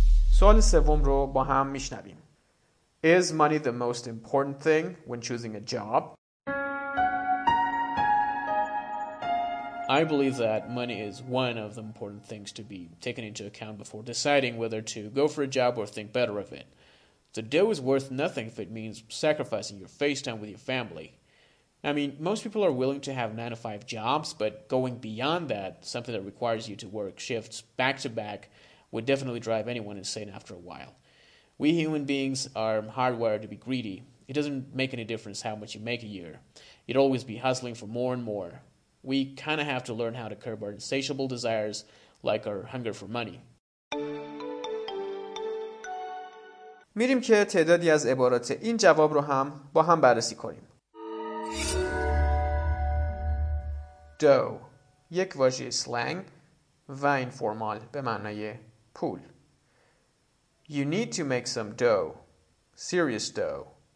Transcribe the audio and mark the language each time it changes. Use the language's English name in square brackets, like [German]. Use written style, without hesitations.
[Persian] سوال سوم رو با هم میشنویم. [English] Is money the most important thing when choosing a job? I believe that money is one of the important things to be taken into account before deciding whether to go for a job or think better of it. The dough is worth nothing if it means sacrificing your face time with your family. I mean, most people are willing to have 9-to-5 jobs, but going beyond that, something that requires you to work shifts back to back, would definitely drive anyone insane after a while. We human beings are hardwired to be greedy. It doesn't make any difference how much you make a year. You'd always be hustling for more and more. We kind of have to learn how to curb our insatiable desires, like our hunger for money. [Persian] میریم که تعدادی از عبارات این جواب رو هم با هم بررسی کنیم. Dough, یک واژه سلنگ و اینفورمال به معنای پول. [English] You need to make some dough, serious dough.